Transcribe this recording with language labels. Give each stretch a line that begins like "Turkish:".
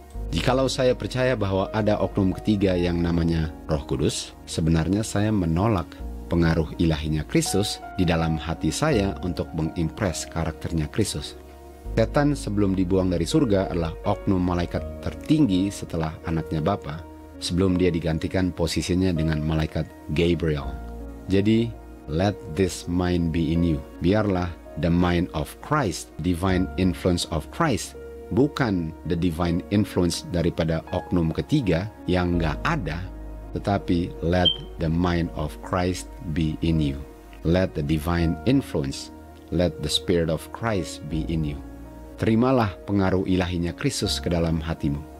Indonesian: Jikalau saya percaya bahwa ada oknum ketiga yang namanya Roh Kudus, sebenarnya saya menolak pengaruh ilahinya Kristus di dalam hati saya untuk mengimpress karakternya Kristus. Setan sebelum dibuang dari surga adalah oknum malaikat tertinggi setelah anaknya Bapa, sebelum dia digantikan posisinya dengan malaikat Gabriel.
English: Jadi, let this mind be in you. Biarlah the mind of Christ, divine influence of Christ, bukan the divine influence
Indonesian: daripada oknum ketiga yang gak ada, tetapi
English: let the mind of Christ be in you. Let the divine influence, let the spirit of Christ be in you.
Indonesian: Terimalah pengaruh ilahinya Kristus ke dalam hatimu.